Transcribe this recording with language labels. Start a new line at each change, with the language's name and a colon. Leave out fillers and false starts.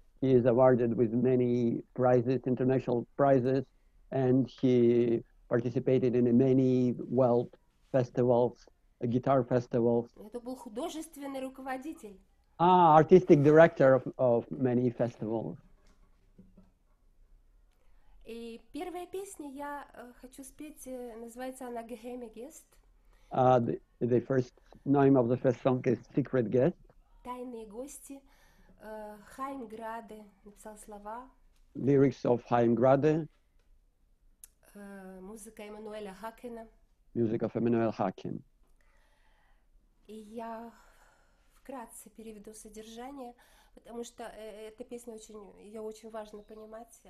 English: He is awarded with many prizes, international prizes, and he participated in many world festivals, guitar festivals.
Russian: Это был художественный руководитель.
English: Artistic director of many festivals.
Russian: И первая песня я хочу спеть, называется она «Geheime Guest».
English: The first name of the first song is Secret Guest.
Russian: Тайные гости. Хайм Граде написал слова.
English: Lyrics of Chaim Grade.
Russian: Музыка Эммануэля Хакена.
English: Music of Emmanuel Hakin.
Russian: И я вкратце переведу содержание, потому что эта песня очень, ее очень важно понимать.